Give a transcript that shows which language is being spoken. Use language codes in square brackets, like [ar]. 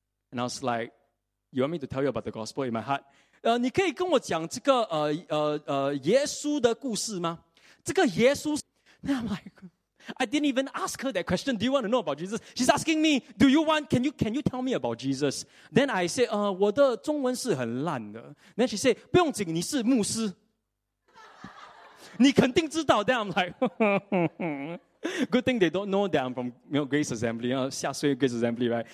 [en] And I was like, you want me to tell you about the gospel in my heart? [zh] 你可以跟我讲这个, 耶稣的故事吗? 这个耶稣, [en] and I'm like, I didn't even ask her that question. Do you want to know about Jesus? She's asking me, do you want, can you tell me about Jesus? Then I say, [zh] 我的中文是很烂的. [en] Then she said, [zh] 不用紧,你是牧师。你肯定知道, [en] then I'm like, good thing they don't know that I'm from, you know, Grace Assembly, you know, 下水 Grace Assembly, right?